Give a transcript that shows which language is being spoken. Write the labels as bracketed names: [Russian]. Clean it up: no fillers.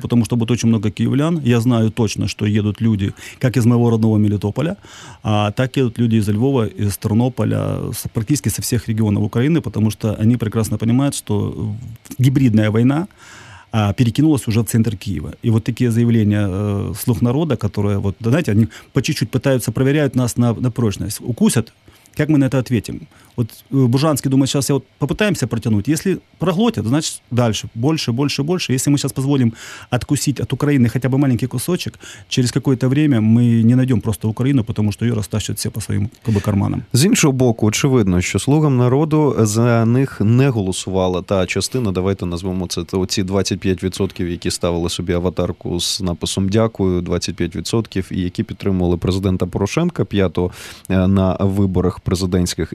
[Ukrainian] Тому що буде дуже багато київлян. Я знаю точно, що їдуть люди, як із моєго родного Мелітополя, а так їдуть люди із Львова, із Тернополя, практично з всіх регіонів України, тому що вони прекрасно розуміють, що гібридна війна перекинулась уже в центр Киева. [Russian] И вот такие заявления слух народа, которые, вот, знаете, они по чуть-чуть пытаются проверять нас на прочность. Укусят, как мы на это ответим? Вот Бужанский думает, сейчас я вот попытаемся протянуть. Если проглотят, значит дальше, больше, больше, больше. Если мы сейчас позволим откусить от Украины хотя бы маленький кусочек, через какое-то время мы не найдем просто Украину, потому что ее растащат все по своим как бы, карманам. [Ukrainian] С іншого боку, [Russian] очевидно, что [Ukrainian] слугам народу за них не голосувала та частина, давайте назвемо це, то ці 25%, які ставили собі аватарку з написом «Дякую», 25%, і які підтримували президента Порошенка 5-го на виборах. президентських.